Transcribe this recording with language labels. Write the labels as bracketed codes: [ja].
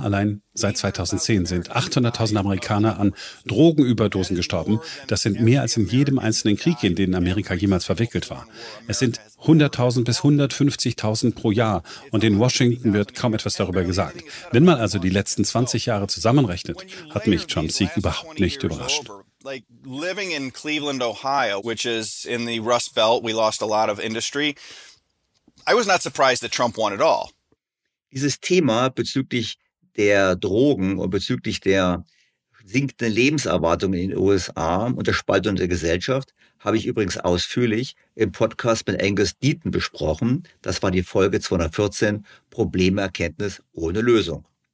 [de] Allein seit 2010 sind 800.000 Amerikaner an Drogenüberdosen gestorben. Das sind mehr als in jedem einzelnen Krieg, in den Amerika jemals verwickelt war. Es sind 100.000 bis 150.000 pro Jahr und in Washington wird kaum etwas darüber gesagt. Wenn man also die letzten 20 Jahre zusammenrechnet, hat mich Trumps Sieg überhaupt nicht überrascht. [en] Like living in Cleveland, Ohio, which is in the Rust Belt, we lost a lot of industry. I was not surprised that Trump won at all. [de] Dieses Thema bezüglich der Drogen und bezüglich der sinkenden Lebenserwartung in den USA und der Spaltung der Gesellschaft habe ich übrigens ausführlich im Podcast mit Angus Deaton besprochen. Das war die Folge 214, Problemerkenntnis ohne Lösung.